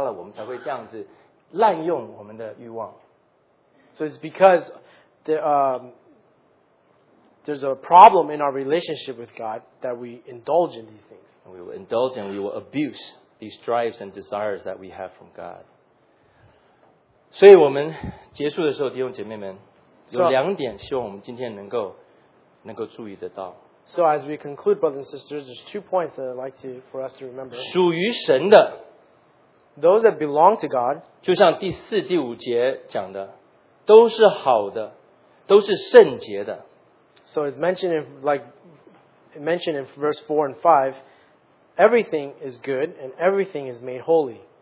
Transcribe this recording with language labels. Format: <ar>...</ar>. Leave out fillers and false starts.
<zh>是因为我们跟神的关系已经偏差了，我们才会这样子滥用我们的欲望。</zh> <en>So it's because there's a problem in our relationship with God that we indulge in these things. And we will indulge and we will abuse these drives and desires that we have from God.</en> <zh>所以我们结束的时候，弟兄姐妹们，有两点希望我们今天能够注意得到。</zh> <en>So as we conclude, brothers and sisters, there's 2 points that I'd like to for us to remember.</en> <zh>属于神的,</zh> <en>those that belong to God,</en> <zh>就像第四、第五节讲的，都是好的，都是圣洁的。</zh> <en>So it's mentioned in verse 4 and 5, everything is good and everything is made holy.</en>